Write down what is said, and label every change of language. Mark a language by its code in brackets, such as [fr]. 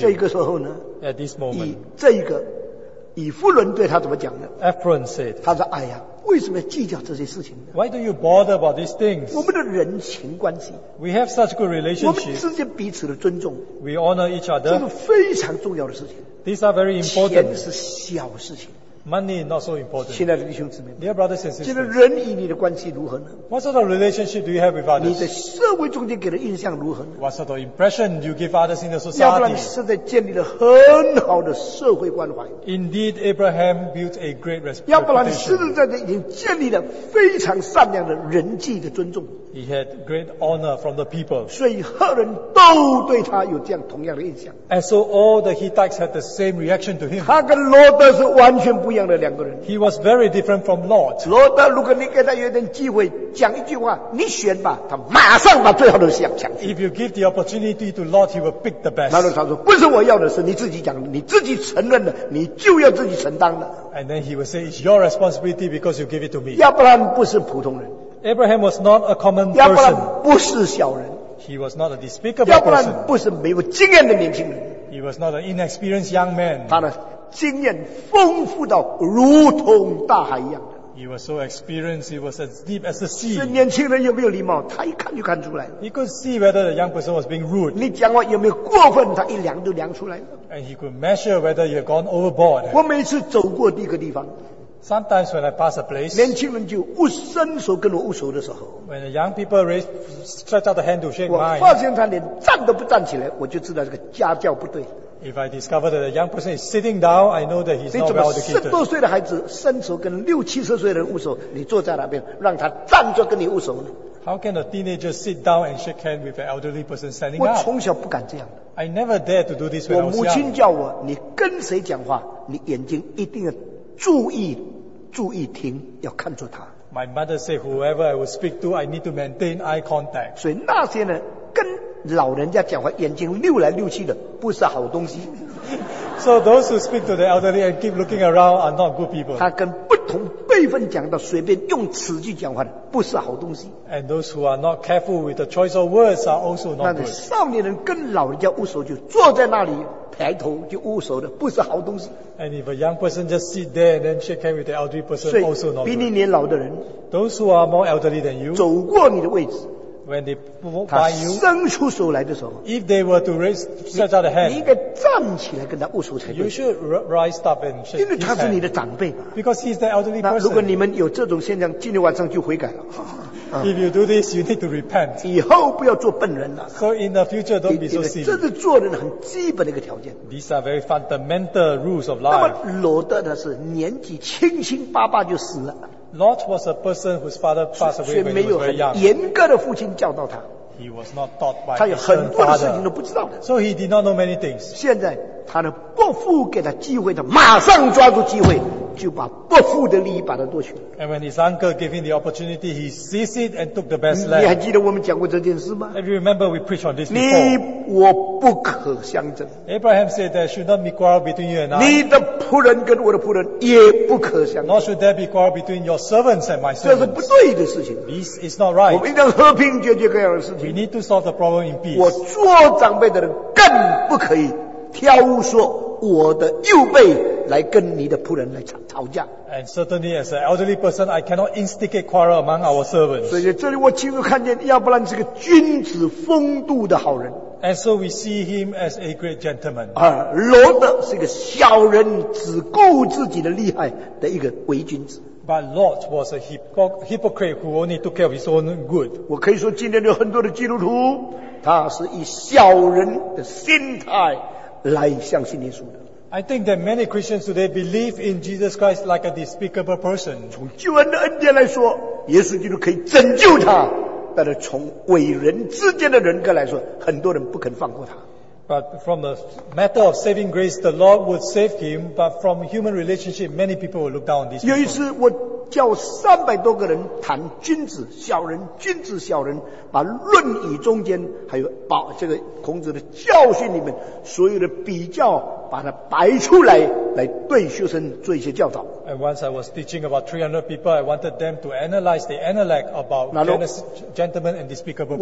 [zh] 这个时候呢 [en] ？At this moment. [zh] 这一个，以弗伦对他怎么讲呢 [en] ？Ephron said. [zh] 他说：“哎呀，为什么要计较这些事情呢 [en] ？”Why do you bother about these things？ [zh] 我们的人情关系。 [en] We have such good relationship. [zh] 我们之间彼此的尊重。 [en] We honor each other. [zh] 这是非常重要的事情。 [en] These are very important. [zh] 钱是小事情。 [en] Money not so important. [zh] 亲爱的弟兄姊妹 [en] ，Dear brothers and sisters， [zh] 现在人与你的关系如何呢 [en] ？What sort of relationship do you have with others？ [zh] 你在社会中间给的印象如何呢 [en] ？What sort of impression do you give others in the society？ 亚 [zh] 伯兰是在建立了很好的社会关怀。 [en] Indeed, Abraham built a great reputation. [zh] 亚伯兰是在已经建立了非常善良的人际的尊重。 [en] He had great honor from the people. [zh] 所以赫人都对他有这样同样的印象。 [en] And so all the Hittites had the same reaction to him. [zh] 他跟罗德是完全不一样的两个人。 [en] He was very different from Lot. [zh] 罗德，如果你给他有点机会讲一句话，你选吧，他马上把最好的想抢去。 [en] If you give the opportunity to Lot, he will pick the best. [zh] 那罗德说：“不是我要的，是你自己讲，你自己承认的，你就要自己承担的。” [en] And then he will say, "It's your responsibility because you give it to me." [zh] 亚伯兰不是普通人。 [en] Abraham was not a common person. [zh] 亚伯兰不是小人。 [en] He was not a despicable person. [zh] 亚伯兰不是没有经验的年轻人。 [en] He was not an inexperienced young man. [zh] 他的经验丰富到如同大海一样的。 [en] He was so experienced. He was as deep as the sea. [zh] 是年轻人有没有礼貌？他一看就看出来了。 [en] He could see whether the young person was being rude. [zh] 你讲话有没有过分？他一量就量出来了。 [en] And he could measure whether you had gone overboard. [zh] 我每次走过一个地方。 [en] Sometimes when I pass a place, [zh] 年轻人就握伸手跟我握手的时候 [en] ，when the young people raise stretch out the hand to shake mine, [zh] 我发现他连站都不站起来，我就知道这个家教不对。 [en] If I discover that a young person is sitting down, I know that he's not well educated. [zh] 你怎么十多岁的孩子伸手跟六七十岁的人握手，你坐在那边让他站着跟你握手呢？ [en] How can a teenager sit down and shake hands with an elderly person standing up? [zh] 我从小不敢这样。 [en] I never dare to do this when I was young. [zh] 我母亲叫我，你跟谁讲话，你眼睛一定要注意，注意听，要看住他。 [en] My mother said, whoever I will speak to, I need to maintain eye contact. [zh] 所以那些人跟老人家讲话，眼睛溜来溜去的，不是好东西。 [en] So those who speak to the elderly and keep looking around are not good people. [zh] 他跟不同辈分讲的，随便用词句讲话的，不是好东西。 [en] And those who are not careful with the choice of words are also not good. [zh] 那少年人跟老人家握手，就坐在那里抬头就握手的，不是好东西。 [en] And if a young person just sit there and then shake hands with the elderly person, also not good. [zh] 比你年老的人， [en] those who are more elderly than you, [zh] 走过你的位置。 [en] When they walk by you, [zh] 他伸出手来的时候， [en] if they were to raise, stretch out a hand, [zh] 你应该站起来跟他握手才对。 [en] You should rise up and shake. [zh] 因为他是你的长辈嘛。 [en] Because he's the elderly person. [zh] 那如果你们有这种现象，今天晚上就悔改了。 [en] If you do this, you need to repent. [zh] 以后不要做笨人了。 [en] So in the future, don't be so silly. [zh] 这是做人很基本的一个条件。 [en] These are very fundamental rules of life. [zh] 那么罗德呢，是年纪轻轻巴巴就死了。 [en] Lot was a person whose father passed away when he was very young. [zh] 所以没有很严格的父亲教导他。 [en] He was not taught by his [zh] father. 他有很多的事情都不知道。 [en] So he did not know many things. [zh] 现在他的伯父给他机会的，马上抓住机会，就把伯父的利益把他夺去。 [en] And when his uncle gave him the opportunity, he seized it and took the best land. [zh] 你还记得我们讲过这件事吗？ [en] And you remember we preached on this before. [zh] 你我不可相争。 [en] Abraham said there should not be quarrel between you and I. [zh] 你的仆人跟我的仆人也不可相争。 [en] Nor should there be quarrel between your servants and my servants. [zh] 这是不对的事情。 [en] This is not right. [zh] 我们应当和平解决各样的事情。 [en] We need to solve the problem in peace. [zh] 我做长辈的人更不可以挑说我的幼辈来跟你的仆人来吵架。 [en] And certainly as an elderly person, I cannot instigate quarrel among our servants. [zh] 所以这里我亲眼看见亚伯兰是个君子风度的好人。 [en] And so we see him as a great gentleman. [zh] 罗德是个小人，只顾自己的利害的一个伪君子。 [en] But Lot was a hypocrite who only took care of his own good. [zh] 我可以说今天有很多的基督徒，他是以小人的心态来相信耶稣的。 [en] I think that many Christians today believe in Jesus Christ like a despicable person. [zh] 从救恩的恩典来说，耶稣基督可以拯救他，但是从伟人之间的人格来说，很多人不肯放过他。 [en] But from the matter of saving grace, the Lord would save him, but from human relationship, many people would look down on this. [zh] 有一次我叫300多个人谈君子小人，君子小人，把论语中间还有把这个孔子的教训里面所有的比较把它摆出来，来对学生做一些教导。 [en] And once I was teaching about 300 people, I wanted them to analyze the analect about genus, gentleman and despicable person.